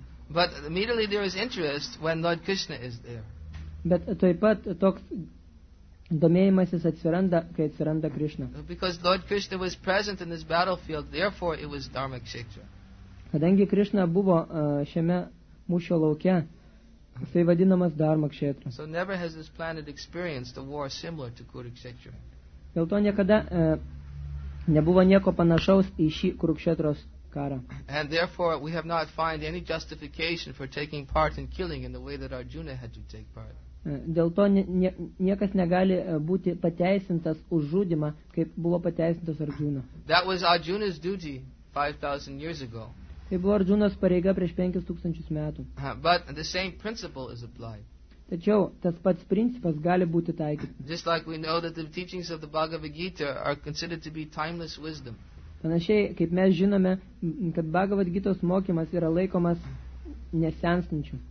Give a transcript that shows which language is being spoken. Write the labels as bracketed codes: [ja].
[en] But immediately there is interest when Lord Krishna is there. [lt] Bet taip pat toks domėjimasis atsiranda, kai atsiranda Krishna. [en] Because Lord Krishna was present in this battlefield, therefore it was Dharma Kshetra. [lt] Kadangi Krishna buvo šiame mūšio lauke, tai vadinamas Dharma Kshetra. [en] So never has this planet experienced a war similar to Kurukshetra. [lt] Dėl to niekada nebuvo nieko panašaus į šį Kurukshetros karą. [en] And therefore we have not found any justification for taking part in killing in the way that Arjuna had to take part. [lt] Dėl to niekas negali būti pateisintas už žudimą, kaip buvo pateisintas Arjuna. [en] That was Arjuna's duty 5000 years ago. [lt] Tai buvo Arjunas pareiga prieš 5000 metų. [en] But the same principle is applied. [lt] Tačiau tas pats principas gali būti taikytas. [en] Just like we know that the teachings of the Bhagavad Gita are considered to be timeless wisdom. [lt] Panašiai, kaip mes žinome, kad Bhagavad Gitos mokymas yra laikomas nesenstančiu.